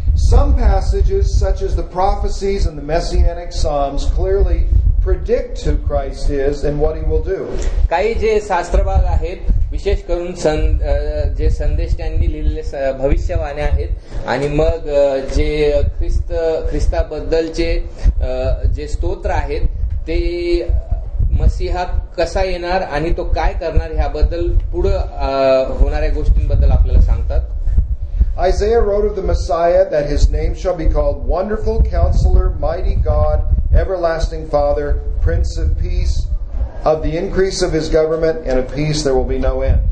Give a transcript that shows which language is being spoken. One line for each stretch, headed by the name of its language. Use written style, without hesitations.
English: Some passages such as the prophecies and the messianic psalms clearly predict who Christ is and what he will do.
Marathi: काही जे शास्त्रभाग आहेत विशेष करून जे संदेश त्यांनी लिहिलेले भविष्यवाणी आहेत आणि मग जे ख्रिस्ताबद्दलचे जे स्तोत्र आहेत ते मसीहा कसा येणार आणि तो काय करणार ह्याबद्दल पुढे होणाऱ्या गोष्टींबद्दल आपल्याला सांगतात.
English: Isaiah wrote of the Messiah that his name shall be called Wonderful Counselor, Mighty God, Everlasting Father, Prince of Peace, of the increase of his government and of peace there will be no end.